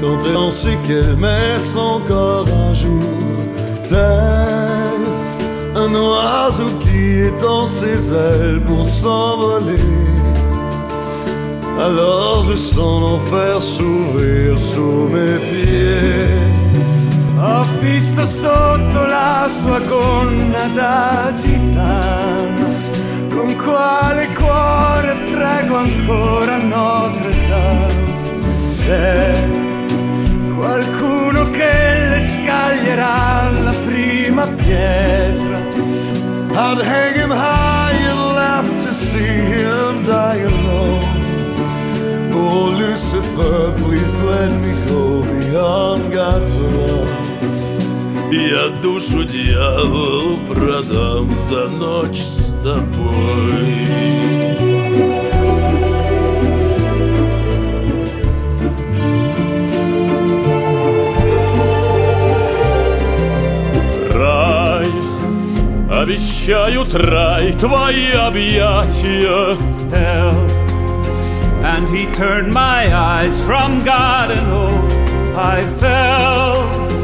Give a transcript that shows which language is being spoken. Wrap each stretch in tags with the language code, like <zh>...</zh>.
<fr>Quand elle en sait qu'elle met son corps un jour tel un oiseau qui étend ses ailes pour s'envoler. Alors je sens l'enfer s'ouvrir sous mes pieds.</fr> <it>Ho visto sotto la sua gonna da gitano, con quale cuore prego ancora Notre Dame. C'è qualcuno che le scaglierà la prima pietra.</it> <en>I'd hang him high and laugh to see him die alone. Oh Lucifer, please let me go beyond God's love.</en> <ru>Я душу дьяволу продам за ночь с тобой. Рай, обещают рай твои объятия.</ru> <en>Hell, and he turned my eyes from God and oh, I fell.</en>